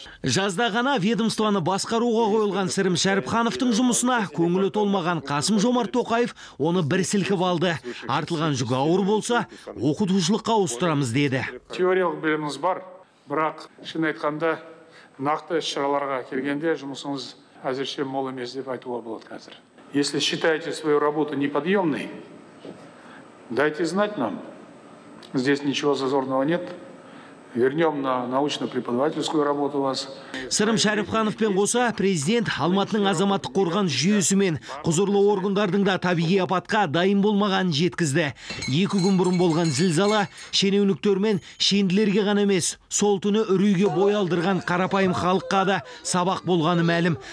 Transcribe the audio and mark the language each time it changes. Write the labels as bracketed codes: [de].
[kk] Жазда ғана ведомствоны басқаруға қойылған Сырым Шәріпхановтың жұмысына көңілі толмаған Қасым-Жомарт Тоқаев оны бір сілкіп алды. Артылған жүк ауыр болса, оқытушылыққа ауыстырамыз деді. Теориялық біліміңіз бар, бірақ шын айтқанда нақты іс-шараларға келгенде жұмысыңыз әзірше мол емес деп айтуға болады қазір. [ru] Если считаете свою работу неподъемной, дайте знать нам. Здесь ничего зазорного нет. Вернем на научно-преподавательскую работу вас. [kk] Сырым Шәріпхановпен қоса президент Алматының азаматтық қорғаныс жүйесі мен құзырлы органдардың да табиғи апатқа дайын болмағанын жеткізді. Екі күн бұрын болған зілзала шенеуніктер мен шенділерге ғана емес, сол түні үрейге бой алдырған қарапайым халыққа да сабақ болғаны мәлім.